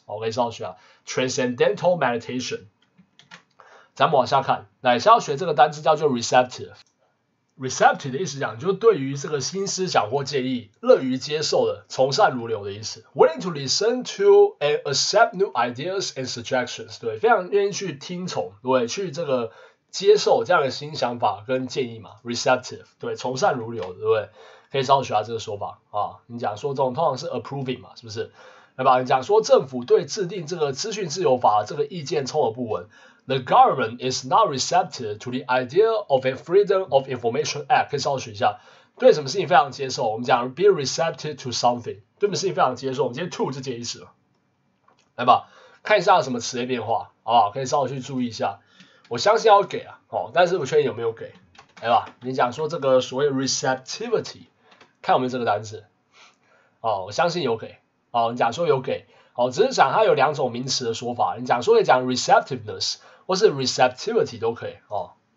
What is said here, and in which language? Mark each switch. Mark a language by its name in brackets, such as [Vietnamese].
[Chinese] OK， 稍微学啊。 [English] Transcendental meditation。 [Chinese] 咱们往下看，来，先要学这个单词叫做 receptive。 receptive 的意思讲，就是对于这个新思想或建议，乐于接受的，从善如流的意思。 [English] Willing to listen to and accept new ideas and suggestions。 [Chinese] 对，非常愿意去听从，对，去这个。接受这样的新想法跟建议嘛 ，receptive， 对，从善如流，对不对？可以稍微学下这个说法啊。你讲说这种通常是 approving 嘛，是不是？对吧？你讲说政府对制定这个资讯自由法这个意见充耳不闻。 [English] The government is not receptive to the idea of a Freedom of Information Act。 [Chinese] 可以稍微学一下，对什么事情非常接受？我们讲 [English] be receptive to something， [Chinese] 对什么事情非常接受？我们今天 to 就接一次了，来吧，看一下什么词的变化，好不好？可以稍微去注意一下。我相信要给啊、哦、但是不确定有没有给，对吧？你讲说这个所谓 receptivity， 看有没有这个单字、哦、我相信有给、哦、你讲说有给、哦、只是讲它有两种名词的说法，你讲说可以讲 receptiveness 或是 receptivity 都可以、哦、